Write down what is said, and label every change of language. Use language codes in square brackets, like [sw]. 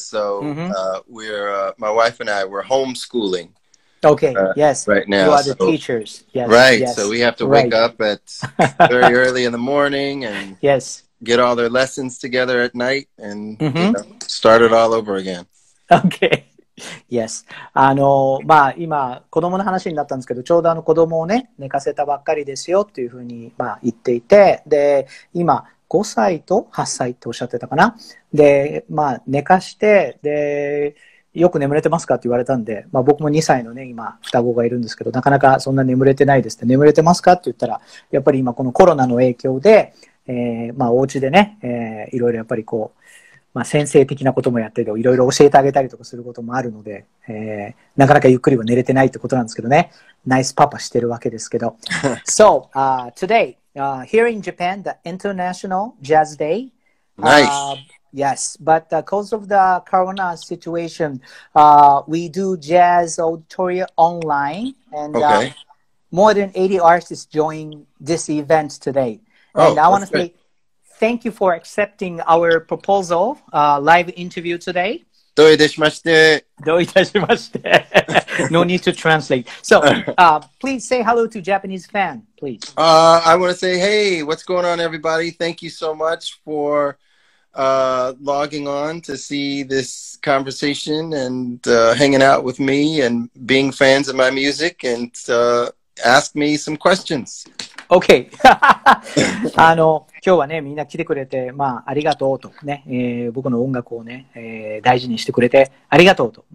[en] So my wife and I, we're homeschooling. Okay. Yes. Right now. You are the teachers. Yes. Right. Yes. So we have to wake up at very early in the morning and. Yes. Get all their lessons together at night and start it all over again. Okay. Yes. [ja] 今、子供の話になったんですけど、ちょうど子供をね、寝かせたばっかりですよっていうふうに、言っていて、で、今、5歳と8歳っておっしゃってたかな。で、寝かして、で、よく眠れてますかって言われたんで、僕も2歳のね、今、双子がいるんですけど、なかなかそんな眠れてないですって、眠れてますかって言ったら、やっぱり今、このコロナの影響で、お家でね、いろいろやっぱりこう、先生的なこともやってて、いろいろ教えてあげたりとかすることもあるので、なかなかゆっくりは寝れてないってことなんですけどね。ナイスパパしてるわけですけど。 [en] So, today, here in Japan, the International Jazz Day. Nice. Yes, but because of the corona situation, we do jazz auditoria online. And, okay. More than 80 artists join this event today. And I want to say thank you for accepting our proposal, live interview today. [ja] どういたしまして。 [en] No need to translate. So, please say hello to Japanese fan, please. I want to say, hey, what's going on, everybody? Thank you so much for logging on to see this conversation and hanging out with me and being fans of my music and ask me some questions. [ja] OK 今日はね、みんな来てくれて、ありがとうとね、僕の音楽をね、大事にしてくれて、ありがとうと。